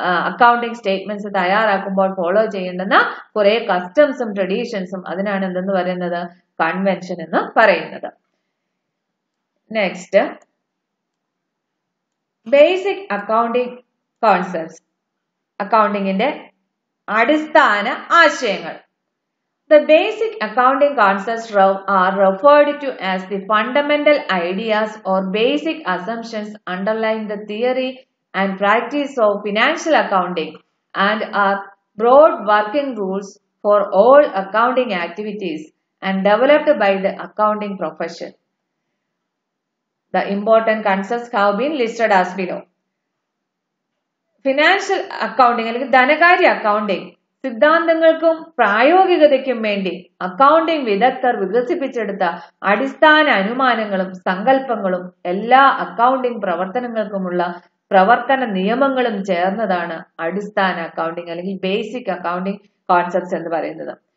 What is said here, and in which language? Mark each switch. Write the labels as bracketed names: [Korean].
[Malayalam] Accounting statements തയ്യാറാക്കുമ്പോൾ follow ചെയ്യേണ്ടുന്ന കുറെ കസ്റ്റംസും ട്രഡീഷൻസും, അതിനാണ് എന്തെന്ന് പറയുന്നത്? കൺവെൻഷൻ എന്ന് പറയുന്നത്. നെക്സ്റ്റ്, ബേസിക് അക്കൗണ്ടിംഗ് കോൺസെപ്റ്റ്സ്, അക്കൗണ്ടിങ്ങിന്റെ അടിസ്ഥാന ആശയങ്ങൾ. [English] The basic accounting concepts are referred to as the fundamental ideas or basic assumptions underlying the theory and practice of financial accounting and are broad working rules for all accounting activities and developed by the accounting profession. The important concepts have been listed as below. [Malayalam] Financial accounting, അല്ലെങ്കിൽ ധനകാര്യ accounting സിദ്ധാന്തങ്ങൾക്കും പ്രായോഗികതയ്ക്കും വേണ്ടി accounting വിദഗ്ധർ വികസിപ്പിച്ചെടുത്ത അടിസ്ഥാന അനുമാനങ്ങളും സങ്കല്പങ്ങളും എല്ലാ accounting പ്രവർത്തനങ്ങൾക്കുമുള്ള പ്രവർത്തന നിയമങ്ങളും ചേർന്നതാണ് അടിസ്ഥാന അക്കൗണ്ടിംഗ് അല്ലെങ്കിൽ ബേസിക് അക്കൗണ്ടിംഗ് കോൺസെപ്റ്റ്സ് എന്ന് പറയുന്നത്.